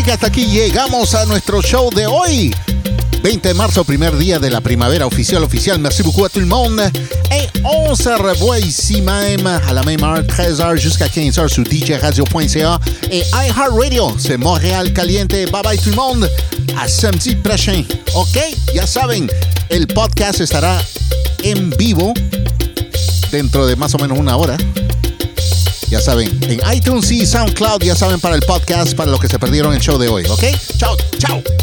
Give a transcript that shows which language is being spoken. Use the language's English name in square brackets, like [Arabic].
[Spanish] Llegamos a nuestro show de hoy, 20 de marzo, primer día de la primavera oficial. [French] Merci beaucoup à tout le monde. Et on se revoit ici même à la même heure, 13h jusqu'à 15h sur djradio.ca et iHeartRadio. C'est Montréal Caliente. Bye bye tout le monde. À samedi prochain. OK? [Spanish] Ya saben, el podcast estará en vivo dentro de más o menos una hora. Ya saben, en iTunes y SoundCloud, ya saben, para el podcast, para los que se perdieron el show de hoy, ¿ok? ¡Chao! ¡Chao!